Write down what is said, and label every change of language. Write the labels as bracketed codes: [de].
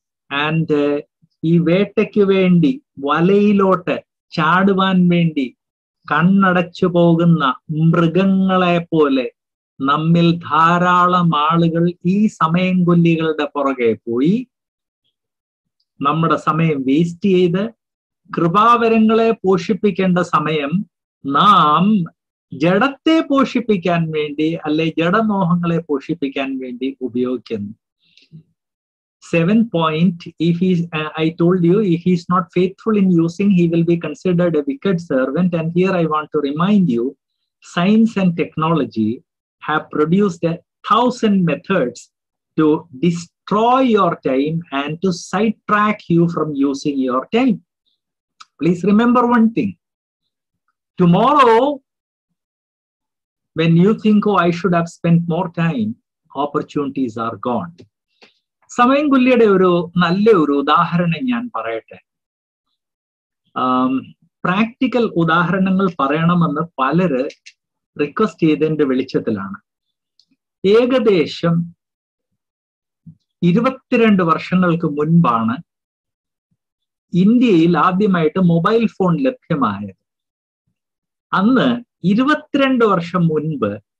[ml] And ഈ വേട്ടയ്ക്ക് വേണ്ടി വലയിലോട്ട് ചാടുവാൻ വേണ്ടി കണ്ണടച്ചു പോകുന്ന മൃഗങ്ങളെ പോലെ നമ്മിൽ ധാരാളം ആളുകൾ ഈ സമയം കൊല്ലികളുടെ പുറകെ പോയി നമ്മുടെ സമയം വേസ്റ്റ് ചെയ്ത് കൃപാവരങ്ങളെ പോഷിപ്പിക്കേണ്ട സമയം നാം ജഡത്തെ പോഷിപ്പിക്കാൻ വേണ്ടി അല്ലെ ജഡമോഹങ്ങളെ പോഷിപ്പിക്കാൻ വേണ്ടി ഉപയോഗിക്കുന്നു. [en] Seventh point, if he is, I told you, if he is not faithful in using, he will be considered a wicked servant. And here I want to remind you, science and technology have produced 1000 methods to destroy your time and to sidetrack you from using your time. Please remember one thing. Tomorrow, when you think, oh, I should have spent more time, opportunities are gone. [ml] സമയം കൊല്ലിയുടെ ഒരു നല്ല ഒരു ഉദാഹരണം ഞാൻ പറയട്ടെ. Practical ഉദാഹരണങ്ങൾ പറയണമെന്ന് പലര് request ചെയ്തതിന്റെ വെളിച്ചത്തിലാണ് ഏകദേശം 22 വർഷങ്ങൾക്ക് മുൻപാണ് ഇന്ത്യയിൽ ആദ്യമായിട്ട് മൊബൈൽ ഫോൺ ലഭ്യമായത്. അന്ന് 22 വർഷം മുൻപ്